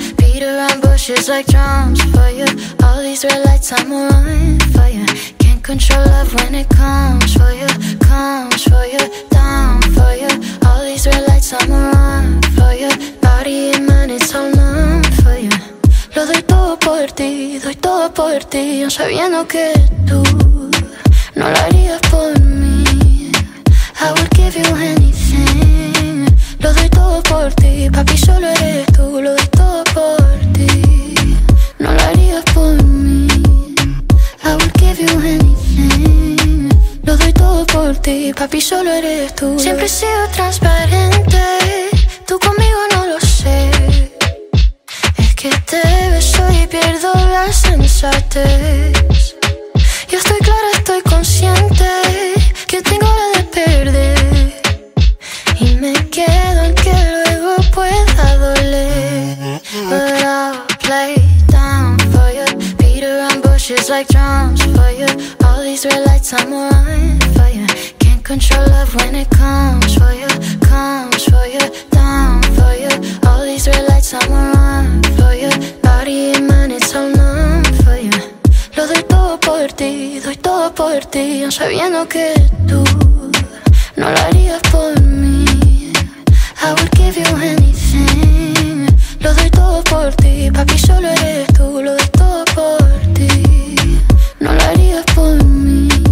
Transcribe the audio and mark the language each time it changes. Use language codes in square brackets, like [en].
[en] Beat around bushes like drums for you. All these red lights I'm aligned for you. Can't control love when it comes for you. Comes for you, down for you. All these red lights I'm aligned for you. Body and mind it's all numb for you. [es] Lo doy todo por ti, sabiendo que tú no lo harías por mí. [en] I will give you anything. [es] Lo doy todo por ti, papi, solo eres tú. Lo doy todo por ti, no lo harías por mí. [en] I will give you anything. [es] Lo doy todo por ti, papi, solo eres tú. Siempre he sido transparente, tú conmigo no lo sé. Que te beso y pierdo la sensatez. Yo estoy clara, estoy consciente que tengo la de perder. Y me quedo aunque luego pueda doler. [en] But I'll play down for you. Beat around bushes like drums for you. All these red lights I'm aligned for you. Can't control love when it comes for you. Comes for you, down for you. All these red lights I'm aligned. Body and mind, it's all numb for you. [es] Lo doy todo por ti, sabiendo que tú no lo harías por mí. [en] I would give you anything. [es] Lo doy todo por ti, papi, solo eres tú. Lo doy todo por ti, no lo harías por mí.